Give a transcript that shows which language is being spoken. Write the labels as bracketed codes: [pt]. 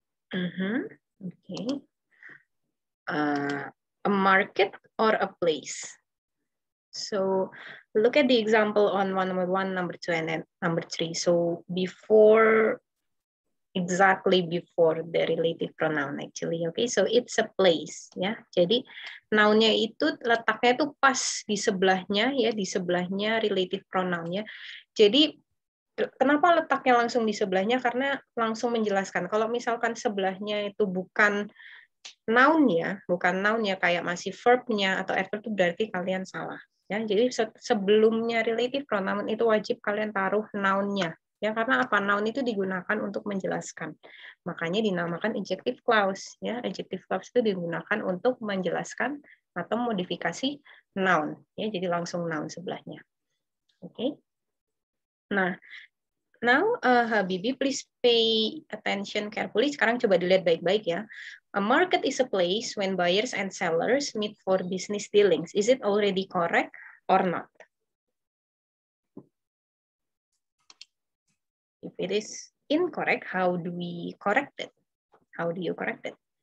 [en] Okay. A market or a place? So look at the example on number 1, number 2, and then number 3. So before, exactly before the relative pronoun actually, okay? So it's a place, ya. Yeah? [id] Jadi noun-nya itu letaknya itu pas di sebelahnya, ya, di sebelahnya relative pronoun-nya. Jadi kenapa letaknya langsung di sebelahnya? Karena langsung menjelaskan. Kalau misalkan sebelahnya itu bukan noun-nya, bukan noun-nya, kayak masih verb-nya atau adverb, itu berarti kalian salah. Ya, jadi sebelumnya relative pronoun itu wajib kalian taruh noun-nya. Ya, karena apa? Noun itu digunakan untuk menjelaskan. Makanya dinamakan adjective clause. Ya, adjective clause itu digunakan untuk menjelaskan atau modifikasi noun. Ya, jadi langsung noun sebelahnya. Oke. Nah, [en] now Habibi, please pay attention carefully. [id] Sekarang coba dilihat baik-baik ya. [en] A market is a place when buyers and sellers meet for business dealings. Is it already correct or not? If it is incorrect, how do we correct it? How do you correct it?